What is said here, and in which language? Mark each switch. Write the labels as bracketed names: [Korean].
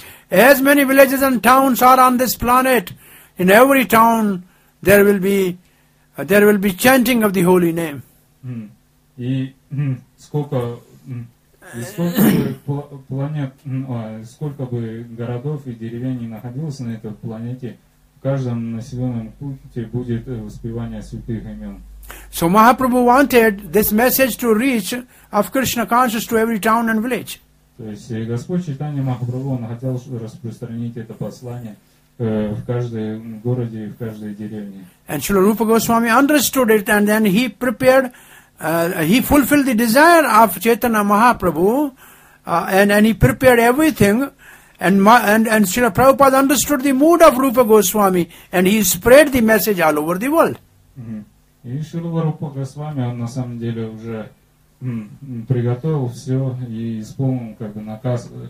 [English] As many villages and towns are on this planet, in every town there will be chanting of the holy name. [Russian] И сколько бы городов и деревень не находилось на этой планете, в каждом населенном пункте будет воспевание святых имен. [English] So Mahaprabhu wanted this message to reach of Krishna consciousness to every town and village. [Russian] То есть Господь Чайтанья Махапрабху он хотел распространить это послание в каждом городе и в каждой деревне. [English] And Srila Rupa Goswami understood it and then he prepared. He fulfilled the desire of Chaitanya Mahaprabhu and he prepared everything and Srila Prabhupada understood the mood of Rupa Goswami and he spread the message all over the world. [Russian] И Шрила Рупа Госвами он на самом деле уже приготовил все и исполнил как бы наказ.